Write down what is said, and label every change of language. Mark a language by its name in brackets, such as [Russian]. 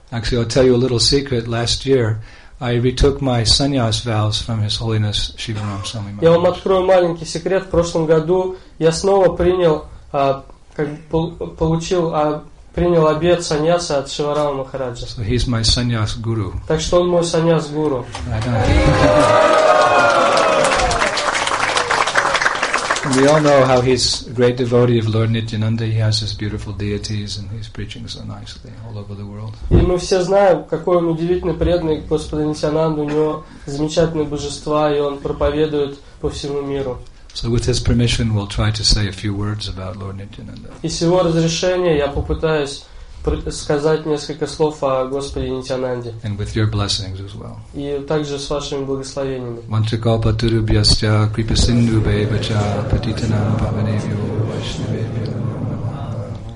[English] Actually, I'll tell you a little secret. Last year, I retook my sannyas vows from His Holiness Shivaram Swami Maharaj. [Russian] Я вам открою маленький секрет. В прошлом году я снова принял обет саньяса от Шиварама Махараджа. [English] So he's my sannyas guru. [Russian] Так что он мой саньяс гуру. [English] We all know how he's a great devotee of Lord Nityananda. He has his beautiful deities and he's preaching so nicely all over the world. [Russian] И мы все знаем, какой он удивительный преданный Господа Нитянанды. У него замечательные божества, и он проповедует по всему миру. [English] So with his permission, we'll try to say a few words about Lord Nityananda. [Russian] И с его разрешения я попытаюсь сказать несколько слов о Господе Нитянанде. [English] And with your blessings as well. [Russian] И также с вашими благословениями. [Sanskrit] Mantrakalpaturubhyascha kripasindubhyascha patitanam bhavanebhyo vaishnavebhyo.